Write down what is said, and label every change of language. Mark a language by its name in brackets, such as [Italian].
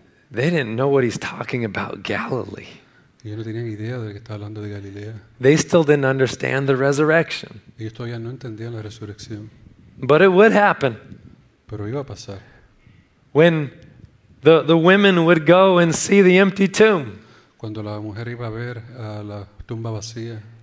[English] They didn't know what he's talking about, Galilee. [Spanish] Ellos no tenían idea de que estaba hablando de Galilea. [English] They still didn't understand the resurrection. [Spanish] Ellos todavía no entendían la resurrección. [English] But it would happen. [Spanish] Pero iba a pasar. [English] When the women would go and see the empty tomb. [Spanish] Cuando la mujer iba a ver a la tumba vacía.